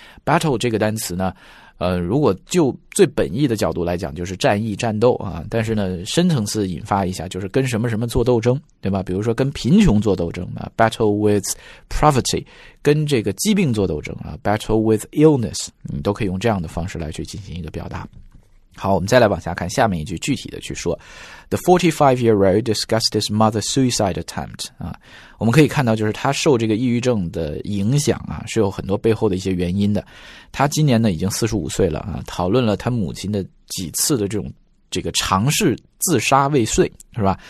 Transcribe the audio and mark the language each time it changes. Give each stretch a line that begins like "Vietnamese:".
Chinese: battle 这个单词呢如果就最本意的角度来讲就是战役战斗啊，但是呢深层次引发一下就是跟什么什么做斗争，对吧？比如说跟贫穷做斗争啊，
English: battle with poverty，
Chinese: 跟这个疾病做斗争啊，
English: battle with illness，
Chinese: 你都可以用这样的方式来去进行一个表达。好，我们再来往下看下面一句具体的去说。
English: The 45-year-old discussed his mother's suicide attempt.
Chinese: 啊，我们可以看到就是他受这个抑郁症的影响啊，是有很多背后的一些原因的。他今年呢已经45岁了啊，讨论了他母亲的几次的这个尝试自杀未遂，是吧？